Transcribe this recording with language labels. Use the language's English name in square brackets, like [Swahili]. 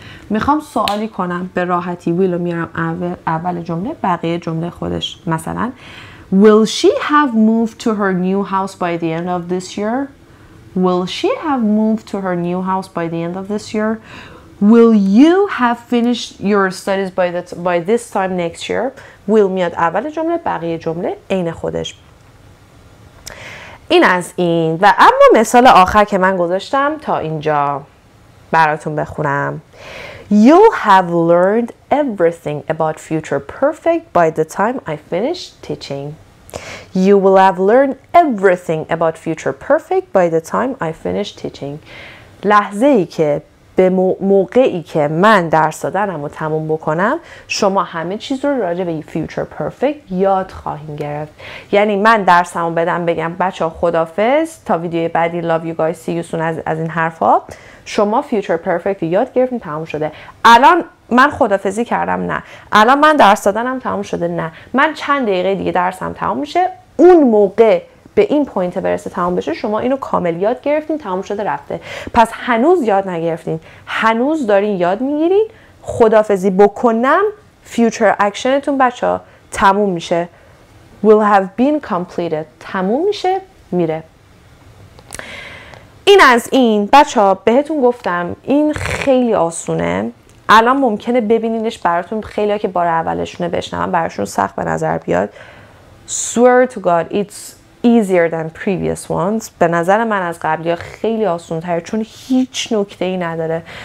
[Persian] میخوام سوالی کنم به راحتی، ویلو میارم اول جمله، بقیه جمله خودش. [English] مثلا will she have moved to her new house by the end of this year؟ will she have moved to her new house by the end of this year؟ will you have finished your studies by this time next year؟ will [Persian] میاد اول جمله، بقیه جمله این خودش. این از این. و اما مثال آخر که من گذاشتم تا اینجا براتون بخونم: [English] you have learned everything about future perfect by the time I finish teaching. You will have learned everything about future perfect by the time I finish teaching. [Persian] لحظه ای که به موقعی که من درس دادنم رو تموم بکنم، شما همه چیز رو راجع به future perfect یاد خواهیم گرفت. یعنی من درسمو بدم بگم بچه ها خدافظ تا ویدیوی بعدی، [English] love you guys، see you soon، [Persian] از این حرف ها، شما future perfect یاد گرفتیم، تموم شده. الان من خدافظی کردم؟ نه. الان من درس دادنم تموم شده؟ نه. من چند دقیقه دیگه درسم تموم میشه، اون موقع به این پوینت برسه تمام بشه، شما اینو کامل یاد گرفتین، تمام شده رفته. پس هنوز یاد نگرفتین، هنوز دارین یاد میگیرین. خدافظی بکنم فیوچر اکشنتون بچه ها تموم میشه، [English] will have been completed، [Persian] تموم میشه میره. این از این. بچه ها بهتون گفتم این خیلی آسونه، الان ممکنه ببینینش براتون، خیلی ها که بار اولشونه بشنون براشون سخت به نظر بیاد. [English] swear to god it's easier than previous ones. [Persian] به نظر من از قبلی‌ها خیلی آسان‌تره، چون هیچ نکته‌ای نداره.